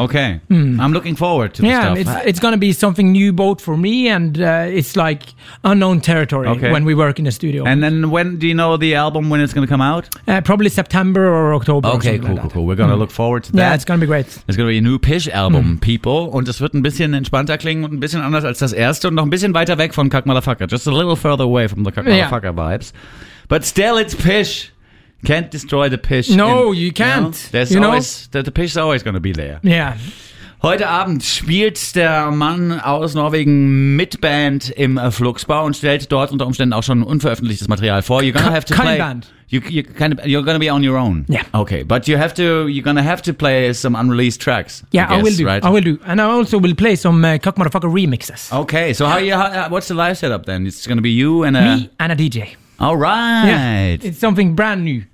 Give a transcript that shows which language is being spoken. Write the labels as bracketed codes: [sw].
[en] Okay. Mm. I'm looking forward to the stuff. Yeah, it's going to be something new both for me and it's like unknown territory when we work in the studio. And then when do you know the album, when it's going to come out? Probably September or October. Okay, or cool. We're going to look forward to that. Yeah, it's going to be great. It's going to be a new Pish album, people. [de] Und es wird ein bisschen entspannter klingen und ein bisschen anders als das erste und noch ein bisschen weiter weg von Kack Motherfucker. [en] Just a little further away from the Kack Motherfucker vibes. But still, it's Pish. Can't destroy the Pish. No, you can't. There's always the Pish is always going to be there. Yeah. [de] Heute Abend spielt der Mann aus Norwegen mit Band im Fluxbau und stellt dort unter Umständen auch schon unveröffentlichtes Material vor. [en] You're gonna have to play. Band. You're gonna be on your own. Yeah. Okay, but you're gonna have to play some unreleased tracks. Yeah, I will do. Right? I will do, and I also will play some Cock Motherfucker remixes. Okay, so what's the live setup then? It's gonna be you and me and a DJ. All right. Yeah. It's something brand new.